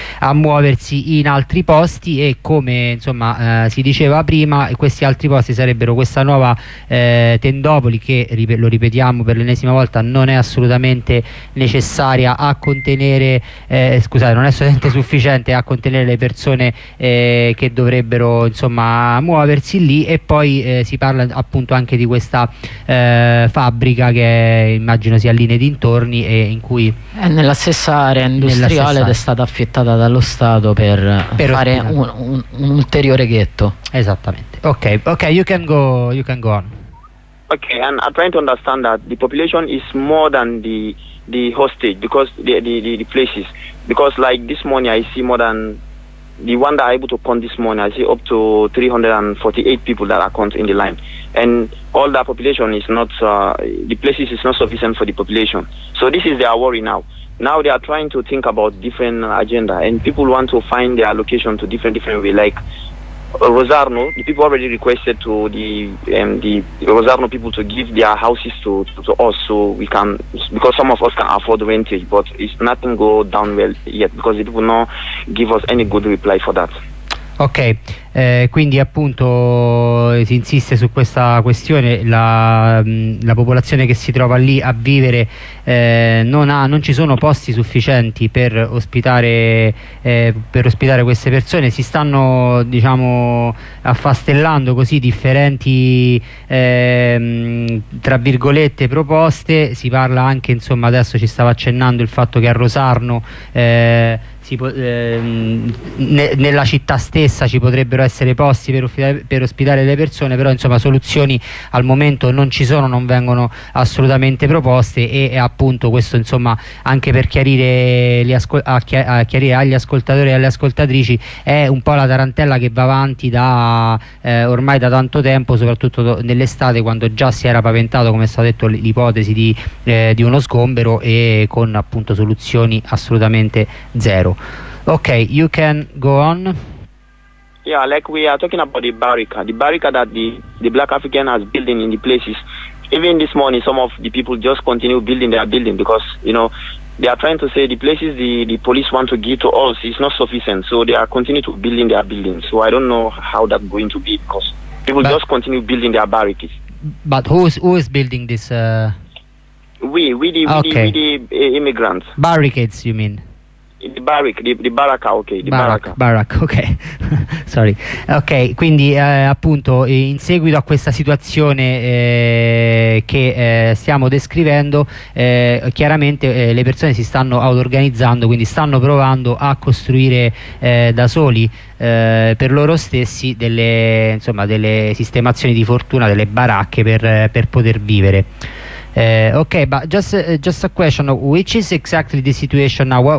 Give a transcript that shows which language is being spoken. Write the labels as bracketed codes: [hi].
[it] a muoversi in altri posti, e come insomma si diceva prima, questi altri posti sarebbero questa nuova Tendopoli, che lo ripetiamo per l'ennesima volta non è assolutamente necessaria a contenere non è assolutamente sufficiente a contenere le persone che dovrebbero insomma muoversi lì, e poi si parla appunto anche di questa fabbrica che immagino sia lì nei dintorni, e in cui è nella stessa area industriale ed è stata affittata dallo Stato per fare un ulteriore ghetto. Esattamente. [en] Ok, you can go on. Okay, and I'm trying to understand that the population is more than the hostage, because the places, because like this morning I see more than the one that I able to count this morning, I see up to 348 people that are counted in the line. And all that population is not, the places is not sufficient for the population. So this is their worry now. Now they are trying to think about different agenda, and people want to find their location to different way. Like Rosarno, the people already requested to the Rosarno people to give their houses to us, so we can, because some of us can afford rentage, but it's nothing go down well yet, because the people not give us any good reply for that. [it] Ok, quindi appunto si insiste su questa questione, la popolazione che si trova lì a vivere non ci sono posti sufficienti per ospitare queste persone, si stanno diciamo affastellando così differenti tra virgolette proposte, si parla anche insomma, adesso ci stava accennando il fatto che a Rosarno nella città stessa ci potrebbero essere posti per ospitare le persone, però insomma soluzioni al momento non ci sono, non vengono assolutamente proposte, e appunto questo insomma anche per chiarire chiarire agli ascoltatori e alle ascoltatrici, è un po' la tarantella che va avanti da ormai da tanto tempo, soprattutto nell'estate, quando già si era paventato, come è stato detto, l'ipotesi di uno sgombero, e con appunto soluzioni assolutamente zero. [en] Okay, you can go on. Yeah, like we are talking about the barricade that the black African has building in the places. Even this morning, some of the people just continue building their building, because you know they are trying to say the places the police want to give to us is not sufficient, so they are continue to building their building. So I don't know how that's going to be, because people just continue building their barricades. But who is building this? We the immigrants. Barricades, you mean? The barrack, okay. Sorry. [it] Ok, quindi appunto in seguito a questa situazione che stiamo descrivendo, chiaramente le persone si stanno auto-organizzando, quindi stanno provando a costruire da soli per loro stessi delle sistemazioni di fortuna, delle baracche per poter vivere. [en] Okay, but just a question: which is exactly the situation now?